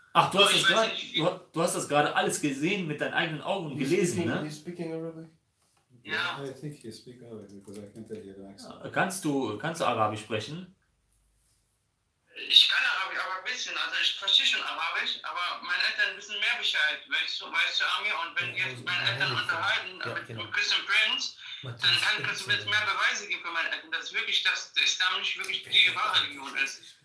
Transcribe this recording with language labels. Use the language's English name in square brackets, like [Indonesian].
[German] Ach, du hast das gerade alles gesehen mit deinen eigenen Augen und gelesen, ne? [English] He's speaking Arabic? [German] Ja. [English] I think he speaks Arabic, because I can tell you the accent. [German] Kannst du Arabisch sprechen? Ich kann Arabisch, aber ein bisschen. Also ich verstehe schon Arabisch, aber meine Eltern wissen mehr Bescheid. Weißt du, Amir, und wenn jetzt meine Eltern unterhalten mit Christian Prince, dann kann Christian jetzt mehr Beweise geben für meine Eltern, dass der Islam nicht wirklich die wahre Religion ist.